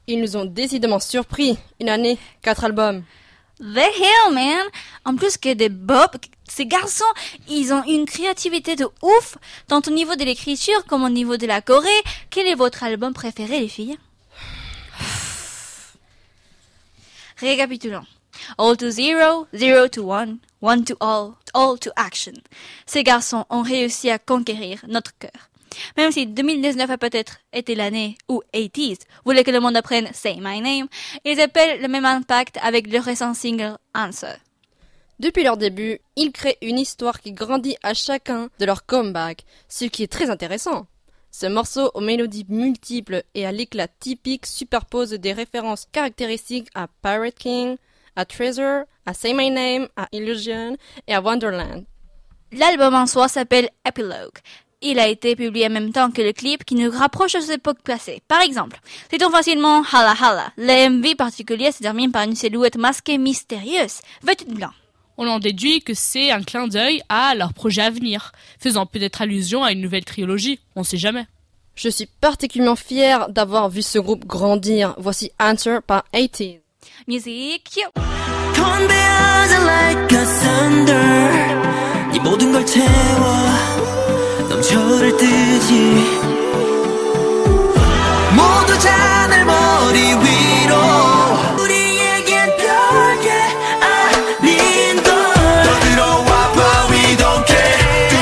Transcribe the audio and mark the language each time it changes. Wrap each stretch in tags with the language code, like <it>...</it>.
<fr>Ils nous ont décidément surpris. Une année, 4 albums.</fr> <en>The Hill, man.</en> <fr>En plus que des bops, ces garçons, ils ont une créativité de ouf, tant au niveau de l'écriture comme au niveau de la choré. Quel est votre album préféré, les filles? Récapitulons.</fr> <en>All to zero, zero to one, one to all to action.</en> <fr>Ces garçons ont réussi à conquérir notre cœur. Même si 2019 a peut-être été l'année où 80s voulaient que le monde apprenne Say My Name, ils appellent le même impact avec leur récent single Answer. Depuis leur début, ils créent une histoire qui grandit à chacun de leurs comebacks, ce qui est très intéressant. Ce morceau aux mélodies multiples et à l'éclat typique superpose des références caractéristiques à Pirate King, à Treasure, à Say My Name, à Illusion et à Wonderland. L'album en soi s'appelle Epilogue. Il a été publié en même temps que le clip qui nous rapproche de ces époques passées. Par exemple, citons facilement Hala Hala. Le MV particulier se termine par une silhouette masquée mystérieuse, vêtue de blanc. On en déduit que c'est un clin d'œil à leur projet à venir, faisant peut-être allusion à une nouvelle trilogie, on sait jamais. Je suis particulièrement fière d'avoir vu ce groupe grandir. Voici Answer par 80s.</fr> <en>Music cue.</en> <ko>건배하자</ko> <en>like a thunder.</en> <ko>네 모든 걸 채워 넘쳐를 뜨지. 모두 잔을 머리 위로. 우리에겐 별게 아닌 걸. 더 들어와봐</ko> <en>we don't care.</en>